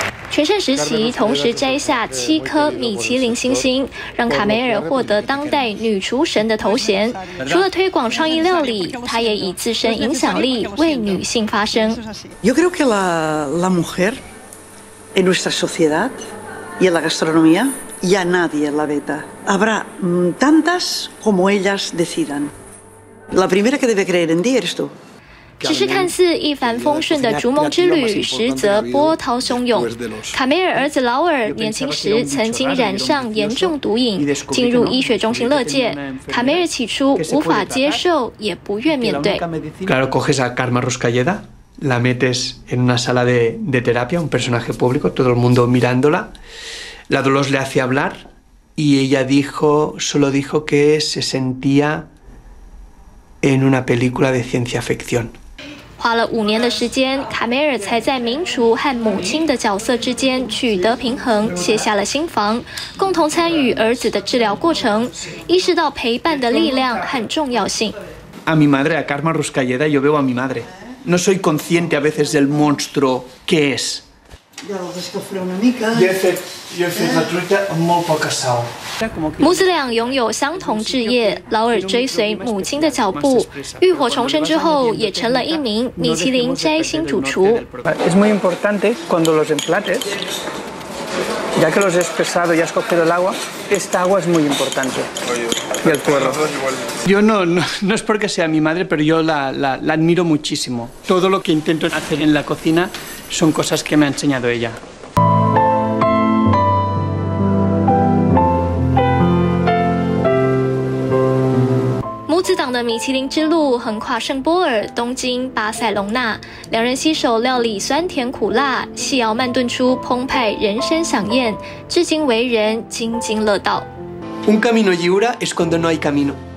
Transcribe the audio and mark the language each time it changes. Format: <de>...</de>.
<zh>全盛时期同时摘下七颗米其林星星，让卡梅尔获得当代女厨神的头衔。除了推广创意料理，她也以自身影响力为女性发声。</zh> <es>Yo creo que la mujer en nuestra sociedad y en la gastronomía ya nadie la veta. Habrá tantas como ellas decidan. La primera que debe creer en ti eres tú.</es> <zh>只是看似一帆风顺的逐梦之旅，实则波涛汹涌。卡梅尔儿子劳尔年轻时曾经染上严重毒瘾，进入医学中心乐界。卡梅尔起初无法接受，也不愿面对。</zh> <es>Claro, coges a Carmen Ruscalleda, la metes en una sala de terapia, un personaje público, todo el mundo mirándola. La Dolores le hace hablar y ella dijo, solo dijo que se sentía. En una película de ciencia ficción.</es> <zh>花了五年的时间，卡梅尔才在名厨和母亲的角色之间取得平衡，卸下了心防，共同参与儿子的治疗过程，意识到陪伴的力量和重要性。</zh> <es>A mi madre, a Carmen Ruscalleda, yo veo a mi madre. No soy consciente a veces del monstruo que es. Ya lo descubrí</es> <ca>una mica.</ca> <es>Y hace la truita muy poca sal.</es> <zh>母子俩拥有相同志业，劳尔追随母亲的脚步，浴火重生之后也成了一名米其林摘星主厨。</zh> <es>Es muy importante cuando los emplates, ya que los has pesado y has cogido el agua, esta agua es muy importante. Y el puerro. Yo no es porque sea mi madre, pero yo la admiro muchísimo. Todo lo que intento hacer en la cocina son cosas que me ha enseñado ella.</es> <zh>母子档的米其林之路横跨圣波尔、东京、巴塞隆纳，两人携手料理酸甜苦辣，细熬慢炖出澎湃人生飨宴，至今为人津津乐道。</zh> <es>Un camino libre es cuando no hay camino.</es>